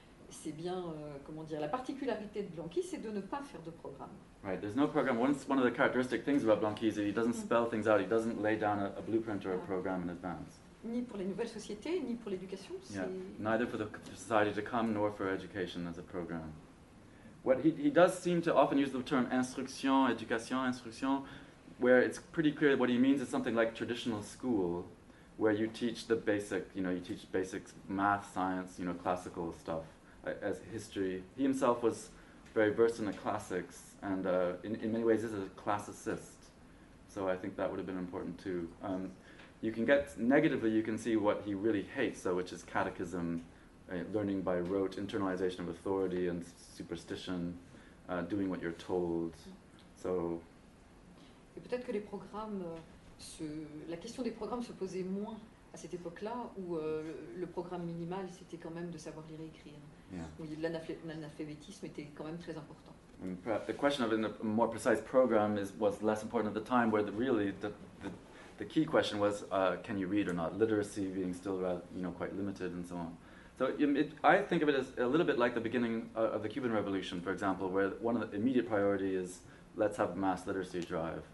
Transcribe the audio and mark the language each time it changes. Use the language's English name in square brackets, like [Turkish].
[French] C'est bien la particularité de Blanqui, c'est de ne pas faire de programme. [English] Right, there's no program. One of the characteristic things about Blanqui is that he doesn't spell things out, he doesn't lay down a blueprint or a program in advance. [French] Ni pour les nouvelles sociétés, ni pour l'éducation. [English] Yeah. Neither for the society to come, nor for education as a program. What he does seem to often use the term instruction, éducation, instruction, where it's pretty clear that what he means is something like traditional school, where you teach the basic, you teach basics, math, science, classical stuff, as history. He himself was very versed in the classics, and in many ways is a classicist. So I think that would have been important too. You can get, negatively, you can see what he really hates, though, which is catechism, learning by rote, internalization of authority and superstition, doing what you're told. So. [French] Et peut-être que les programmes, la question des programmes se posait moins à cette époque-là, où le programme minimal, c'était quand même de savoir lire et écrire. [English] Yeah. [French] Où l'analphabétisme était quand même très important. [English] And perhaps the question of a more precise program was less important at the time, where the key question was, can you read or not? Literacy being still quite limited and so on. So I think of it as a little bit like the beginning of the Cuban Revolution, for example, where one of the immediate priority is let's have a mass literacy drive.